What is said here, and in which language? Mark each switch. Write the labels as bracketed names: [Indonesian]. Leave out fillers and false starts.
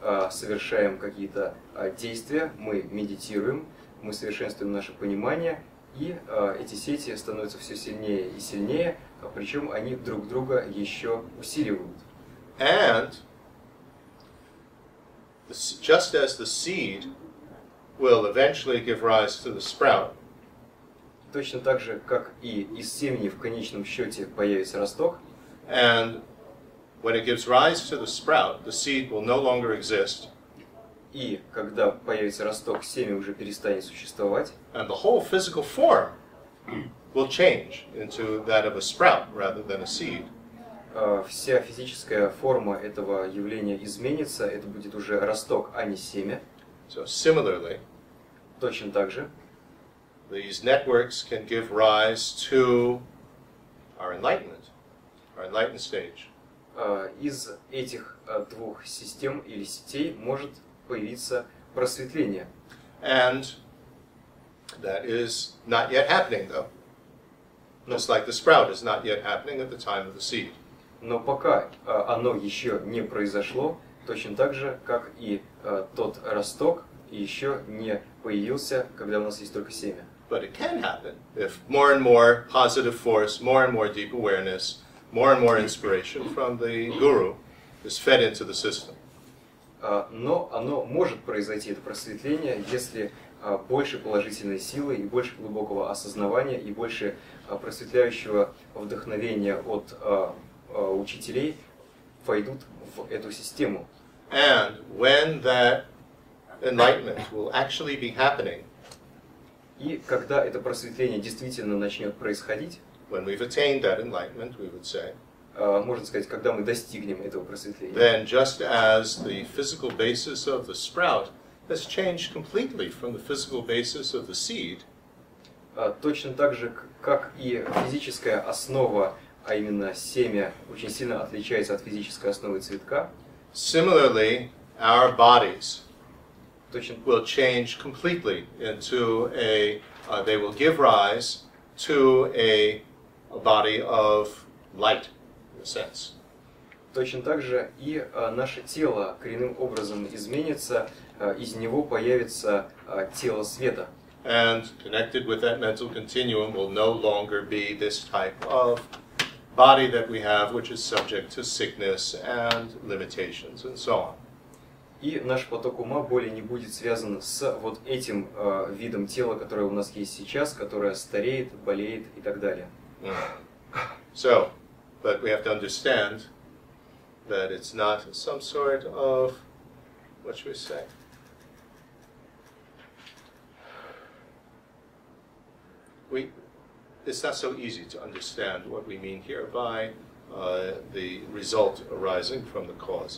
[Russian] совершаем какие-то действия, мы медитируем, мы совершенствуем наше понимание, и эти сети становятся все сильнее и сильнее, причем они друг друга еще усиливают. [English] And just as the seed will eventually give rise to the sprout. [Russian] Точно так же, как и из семени в конечном счете появится росток. [English] And when it gives rise to the sprout, the seed will no longer exist. [Russian] И когда появится росток, семя уже перестанет существовать. [English] And the whole physical form will change into that of a sprout rather than a seed. [Russian] Вся физическая форма этого явления изменится, это будет уже росток, а не семя. [English] So similarly, [Russian] точно так же, [English] these networks can give rise to our enlightened stage. [Russian] Из этих двух систем или сетей может появиться просветление. [English] And that is not yet happening, though. Just like the sprout is not yet happening at the time of the seed. [Russian] Но пока оно еще не произошло, точно так же, как и тот росток еще не появился, когда у нас есть только семя. [English] But it can happen if more and more positive force, more and more deep awareness, more and more inspiration from the guru is fed into the system. [Russian] Но оно может произойти, это просветление, если больше положительной силы и больше глубокого осознавания и больше просветляющего вдохновения от учителей войдут в эту систему. [English] And when that enlightenment will actually be happening, [Russian] и когда это просветление действительно начнет происходить, [English] when we've attained that enlightenment, we would say, [Russian] можно сказать, когда мы достигнем этого просветления, [English] then just as the physical basis of the sprout has changed completely from the physical basis of the seed, [Russian] точно так же, как и физическая основа, а именно семя, очень сильно отличается от физической основы цветка, [English] similarly, our bodies [Russian] точно [English] will change completely into a, they will give rise to a body of light, in a sense. [Russian] Точно так же и наше тело коренным образом изменится, из него появится тело света. [English] And connected with that mental continuum will no longer be this type of body that we have, which is subject to sickness and limitations and so on. [Russian] И наш поток ума более не будет связан с вот этим видом тела, которое у нас есть сейчас, которое стареет, болеет и так далее. [English] So, but we have to understand that it's not some sort of, what should we say? It's not so easy to understand what we mean here by the result arising from the cause.